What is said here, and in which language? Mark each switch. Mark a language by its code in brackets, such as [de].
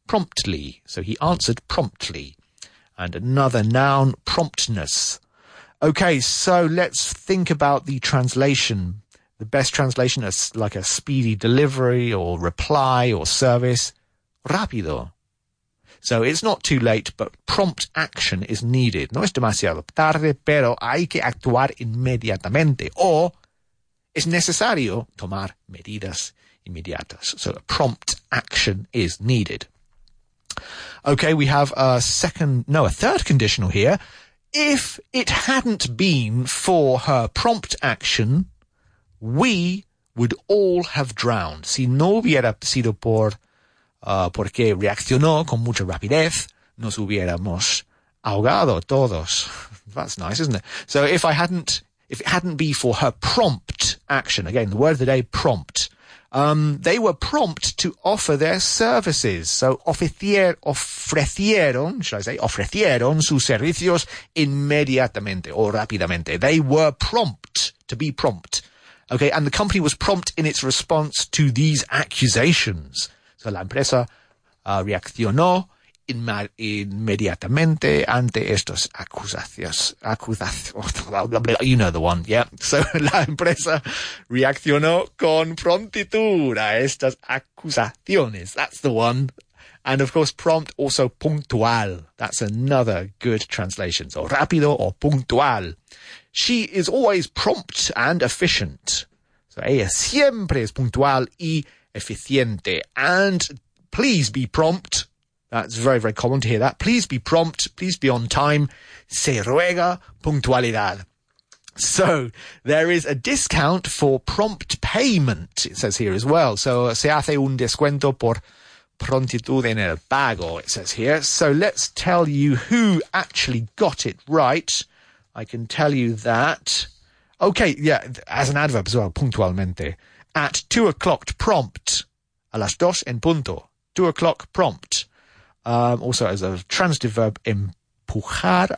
[en] Promptly. So he answered promptly. And another noun, promptness. Okay, so let's think about the translation. The best translation is like a speedy delivery or reply or service. Rápido. So it's not too late, but prompt action is needed. [es] No es demasiado tarde, pero hay que actuar inmediatamente. Or es necesario tomar medidas inmediatas. [en] So a prompt action is needed. Okay, we have a third conditional here. If it hadn't been for her prompt action, we would all have drowned. [es] Si no hubiera sido porque reaccionó con mucha rapidez, nos hubiéramos ahogado todos. [en] That's nice, isn't it? So if it hadn't been for her prompt action, again, the word of the day, prompt, they were prompt to offer their services. [es] So ofrecieron sus servicios inmediatamente o rápidamente. [en] They were prompt to be prompt. Okay, and the company was prompt in its response to these accusations. [es] So la empresa reaccionó inmediatamente ante estos acusaciones. [en] You know the one, yeah. [es] So la empresa reaccionó con prontitud a estas acusaciones. [en] That's the one. And of course, prompt, also puntual. That's another good translation. So rápido or puntual. She is always prompt and efficient. So [es] ella siempre es puntual y eficiente. [en] And please be prompt. That's very, very common to hear that. Please be prompt. Please be on time. [es] Se ruega puntualidad. [en] So there is a discount for prompt payment, it says here as well. [es] So se hace un descuento por prontitud en el pago, [en] it says here. So let's tell you who actually got it right. I can tell you that. Okay, yeah, as an adverb as well, puntualmente. At 2 o'clock, prompt. [es] A las dos en punto. [en] 2 o'clock, prompt. Also, as a transitive verb, empujar.